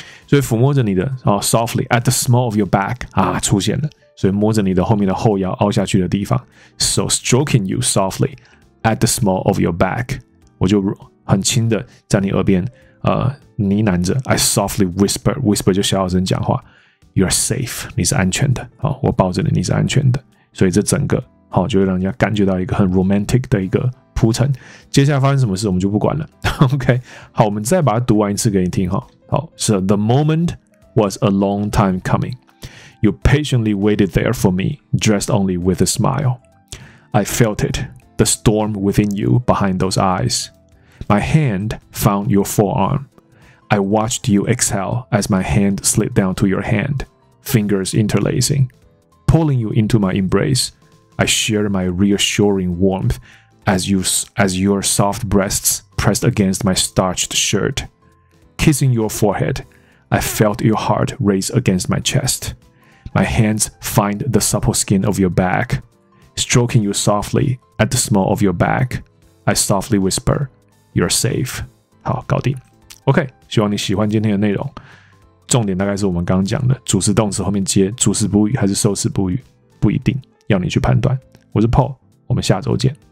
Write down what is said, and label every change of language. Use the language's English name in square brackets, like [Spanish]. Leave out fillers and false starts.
[Chinese] 所以抚摸着你的、 [English] softly at the small of your back [Chinese] 啊出现了，所以摸着你的后面的后腰凹下去的地方 ， [English] so stroking you softly at the small of your back， [Chinese] 我就很轻的在你耳边呢喃着 ， [English] I softly whisper [Chinese] 就小小声讲话 ， [English] You're safe， [Chinese] 你是安全的，好、哦，我抱着你，你是安全的，所以这整个好、哦、就会让人家感觉到一个很 romantic 的一个铺陈。接下来发生什么事我们就不管了 ，OK， 好，我们再把它读完一次给你听哈。 [English] 好 so the moment was a long time coming. You patiently waited there for me, dressed only with a smile. I felt it, the storm within you behind those eyes. My hand found your forearm. I watched you exhale as my hand slid down to your hand, fingers interlacing. Pulling you into my embrace, I shared my reassuring warmth as your soft breasts pressed against my starched shirt. Kissing your forehead, I felt your heart race against my chest. My hands find the supple skin of your back. Stroking you softly at the small of your back, I softly whisper, you're safe. [Chinese] 好，搞定。 OK, 希望你喜欢今天的内容。重点大概是我们刚刚讲的，主词动词后面接主词补语还是受词补语，不一定，要你去判断。我是 Paul, 我们下周见。